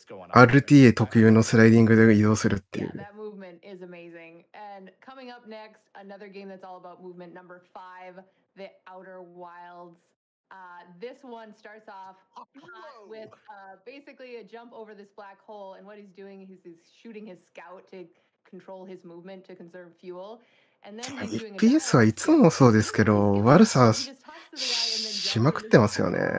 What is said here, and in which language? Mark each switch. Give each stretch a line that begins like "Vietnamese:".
Japanese: RTA 特有のスライディングで移動するっていう。
English: Yeah, that movement is amazing. And coming up next, another game that's all about movement, number five, The Outer Wilds. This one starts off with basically a jump over this black hole, and what he's doing is he's shooting his scout to control his movement to conserve fuel. And then he's doing
Japanese: FPS はいつもそうですけど、悪さしまくってますよね。